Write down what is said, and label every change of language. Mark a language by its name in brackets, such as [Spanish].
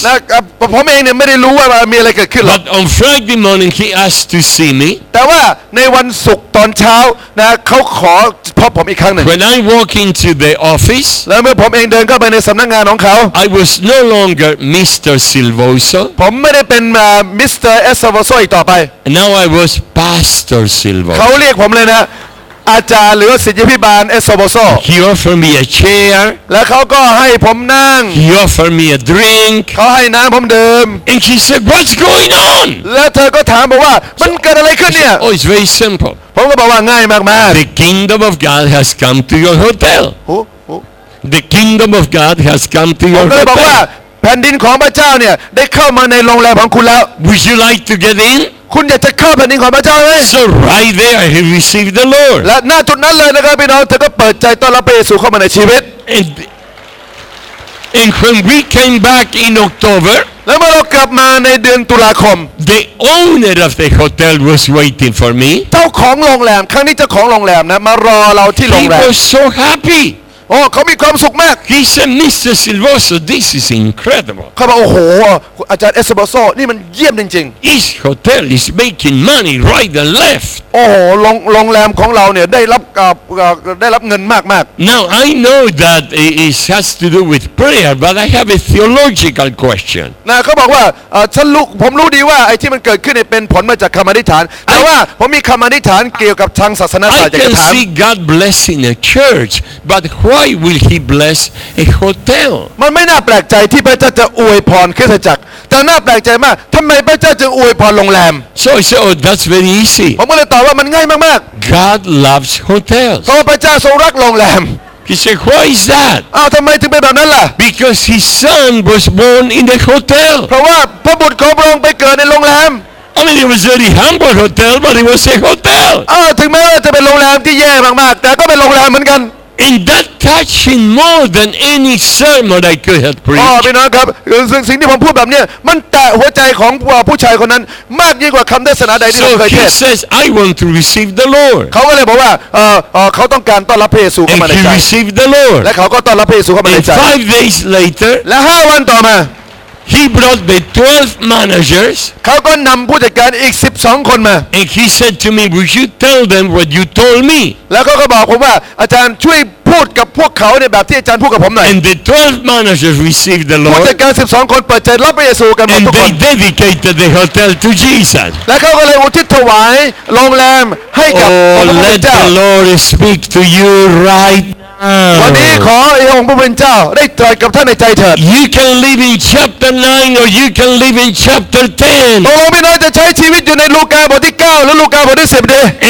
[Thai] นะผมเองเนี่ยไม่ได้รู้ว่ามีอะไรเกิดขึ้นหรอก [English] But on Friday morning he asked to see me [Thai] แต่ว่าในวันศุกร์ตอนเช้านะเขาขอพบผมอีกครั้งนึง [English] When I walk into the office [Thai] แล้วเมื่อผมเองเดินเข้าไปในสำนักงานของเขา [English] I was no longer Mr. Silvoso [Thai] ผมไม่ได้เป็น Mr. Silvoso อีกต่อไป [English] Now I was Pastor Silvoso [Thai] เขาเรียกผมเลยนะอาจารย์หรือศิษยาภิบาลเอสโซโบโซ [English] He offered me a chair [Thai] และเขาก็ให้ผมนั่ง [English] He offered me a drink [Thai] เขาให้น้ำผมดื่ม [English] And he said what's going on [Thai] และเธอก็ถามบอกว่ามันเกิดอะไรขึ้นเนี่ย [English] Oh it's very simple [Thai] ผมก็บอกว่าง่ายมากๆ [English] The kingdom of God has come to your hotel The kingdom of God has come to your hotel [Thai] ผมก็บอกว่าแผ่นดินของพระเจ้าเนี่ยได้เข้ามาในโรงแรมของคุณแล้ว [English] Would you like to get in? [Thai] คุณอยากจะเข้าแผ่นดินของพระเจ้าไหม [English] So right there he received the Lord [Thai] และหน้าจุดนั้นเลยนะครับพี่น้องเธอก็เปิดใจต้อนรับพระเยซูเข้ามาในชีวิต [English] And when we came back in October [Thai] แล้วเมื่อเรากลับมาในเดือนตุลาคม [English] The owner of the hotel was waiting for me [Thai] เจ้าของโรงแรมครั้งนี้เจ้าของโรงแรมนะมารอเราที่โรงแรม [English] He was so happy [Thai] โอ้เขามีความสุขมาก [English] He said Mr. Silvoso this is incredible [Thai] เขาบอกโอ้โหอาจารย์เอสโบโซนี่มันเยี่ยมจริง [English] ๆ His hotel is making money right and left [Thai] โอ้โหโรงแรมของเราเนี่ยได้รับเงินมากมาก [English] Now I know that it has to do with prayer but I have a theological question [Thai] นะเขาบอกว่าฉันรู้ผมรู้ดีว่าไอ้ที่มันเกิดขึ้นเนี่ยเป็นผลมาจากคำอธิษฐานแต่ว่าผมมีคำอธิษฐานเกี่ยวกับทางศาสนาศาสตร์จะถาม [English] I can see God blessing a church but why Why will he bless a hotel? [Thai] มันไม่น่าแปลกใจที่พระเจ้าจะอวยพรคริสตจักรแต่น่าแปลกใจมากทำไมพระเจ้าจะอวยพรโรงแรม [English] So I said, oh, that's very easy. [Thai] ผมเลยตอบว่ามันง่ายมาก [English] ๆ God loves hotels. [Thai] เพราะพระเจ้าทรงรักโรงแรม [English] He said, "Why is that?" [Thai] Ah, ทำไมถึงเป็นแบบนั้นล่ะ [English] Because his son was born in the hotel. [Thai] เพราะว่าพระบุตรของพระองค์ไปเกิดในโรงแรม [English] I mean, it was a very humble hotel, but it was a hotel. [Thai] Ah, ถึงแม้ว่าจะเป็นโรงแรมที่แย่มากๆแต่ก็เป็นโรงแรมเหมือนกัน [English] And that touched him more than any sermon I could have preached. [Thai] Ah, พี่น้องครับสิ่งที่ผมพูดแบบนี้มันแตะหัวใจของผู้ชายคนนั้นมากยิ่งกว่าคำเทศนาใดที่เคยเทศ [English] So he says, "I want to receive the Lord." [Thai] เขาก็เลยบอกว่าเขาต้องการต้อนรับพระเยซูเข้ามาในใจ [English] And he received the Lord. [Thai] และเขาก็ต้อนรับพระเยซูเข้ามาในใจ [English] And 5 days later. [Thai] และ5 วันต่อมา [English] He brought the 12 managers. [Thai] เขาก็นำผู้จัดการอีก12 คนมา [English] And he said to me, "Would you tell them what you told me?" [Thai] แล้วก็บอกผมว่าอาจารย์ช่วยพูดกับพวกเขาในแบบที่อาจารย์พูดกับผมหน่อย [English] And the 12 managers received the Lord. [Thai] ผู้จัดการ12 คนเปิดใจรับพระเยซูกันหมดทุกคน [English] And they dedicated the hotel to Jesus. [Thai] แล้วเขาก็เลยอุทิศถวายโรงแรมให้กับพระเจ้า [English] Let the Lord speak to you right. [Thai] วันนี้ขอองค์พระผู้เป็นเจ้าได้ตรัสกับท่านในใจเถิด [English] You can live in chapter 9 or you can live in chapter 10 [Thai] ตกลงพี่น้องจะใช้ชีวิตอยู่ในลูกาบทที่9หรือลูกาบทที่10